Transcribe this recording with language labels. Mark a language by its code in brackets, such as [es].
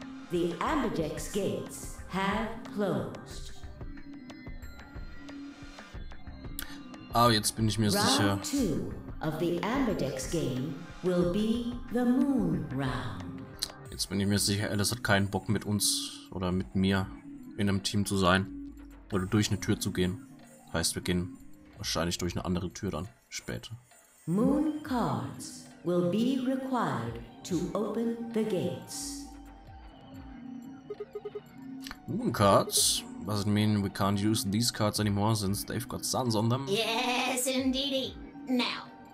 [en] The Ambidex gates have closed. [de] Oh, jetzt bin ich mir [en] round [de] sicher. [en] Round 2 of the Ambidex game will be the moon round. [de] Jetzt bin ich mir sicher, Alice hat keinen Bock mit uns oder mit mir in einem Team zu sein oder durch eine Tür zu gehen. Heißt, wir gehen wahrscheinlich durch eine andere Tür dann später. [en] Moon cards will be required to open the gates. Moon cards? Doesn't mean we can't use these cards anymore since they've got suns on them. Yes, indeedy. Now,